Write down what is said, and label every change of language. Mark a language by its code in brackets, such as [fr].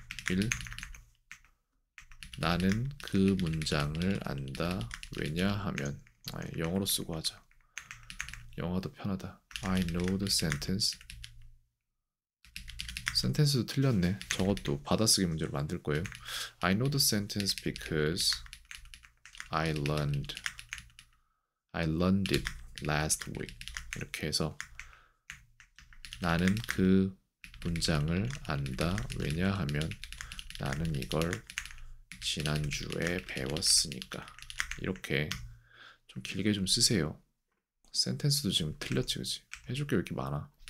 [ko] 1. 나는 그 문장을 안다. 왜냐하면 영어로 쓰고 하자. 영어도 편하다. [en] I know the sentence. [ko] 센텐스도 틀렸네. 저것도 받아쓰기 문제로 만들 거예요. [en] I know the sentence because I learned it last week. [ko] 이렇게 해서 나는 그 문장을 안다. 왜냐하면 나는 이걸 지난주에 배웠으니까. 이렇게 좀 길게 좀 쓰세요. 센텐스도 지금 틀렸지, 그치? 해줄 게왜 이렇게 많아?